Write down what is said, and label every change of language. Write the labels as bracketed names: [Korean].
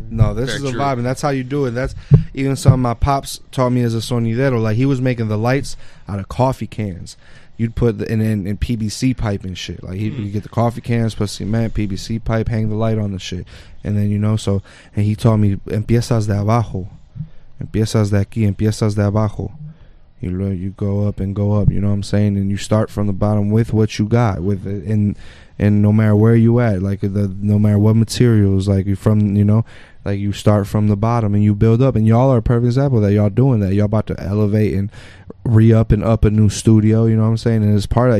[English] No, this very is a true. Vibe, and that's how you do it. That's even something my pops taught me as a sonidero. Like, he was making the lights out of coffee cans. You'd put in PVC pipe and shit. Like, you get the coffee cans, put cement, PVC pipe, hang the light on the shit. And then, you know, so, and he taught me, [Spanish] empiezas de abajo. Empiezas de aquí, empiezas de abajo. [English] You go up and go up, you know what I'm saying? And you start from the bottom with what you got, with it, and no matter where you at, like the no matter what materials, like you from, you know, like you start from the bottom and you build up. And y'all are a perfect example that y'all doing that. Y'all about to elevate and re-up and up a new studio, you know what I'm saying? And it's part of that.